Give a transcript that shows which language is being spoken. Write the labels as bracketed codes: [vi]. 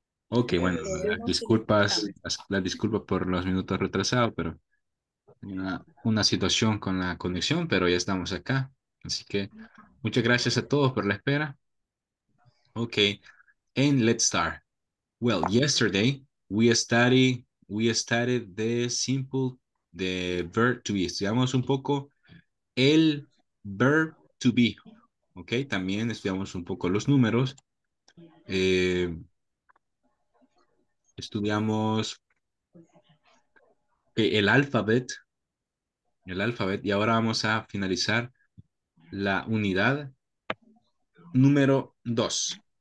[es] Ok, bueno, las disculpas por los minutos retrasados, pero una situación con la conexión, pero ya estamos acá. Así que muchas gracias a todos por la espera. [en] Ok, and let's start. Well, yesterday we studied the simple, the verb to be. [es] Estudiamos un poco el verb to be, ¿ok? También estudiamos un poco los números. Estudiamos el alfabeto, y ahora vamos a finalizar la unidad número 2.